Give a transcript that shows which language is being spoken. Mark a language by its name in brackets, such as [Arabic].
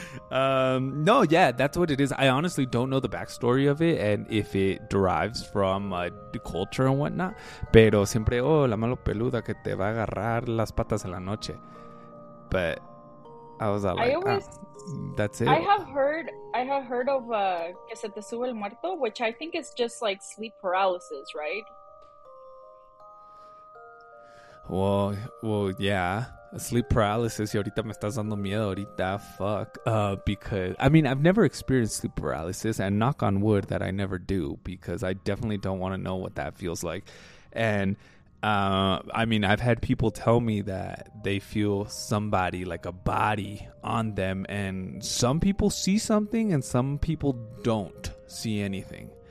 [English] That's what it is. I honestly don't know the backstory of it and if it derives from the culture and whatnot. [Spanish] Pero siempre, oh, la mano peluda que te va a agarrar las patas en la noche. [English] But I was like, that's it. I have heard of [Spanish] que se te sube el muerto, [English] which I think is just like sleep paralysis, right? Well, yeah, sleep paralysis. [Spanish] Y ahorita me estás dando miedo ahorita, fuck. [English] Because I mean, I've never experienced sleep paralysis, and knock on wood that I never do, because I definitely don't want to know what that feels like. And I mean, I've had people tell me that they feel somebody, like a body on them, and some people see something and some people don't see anything.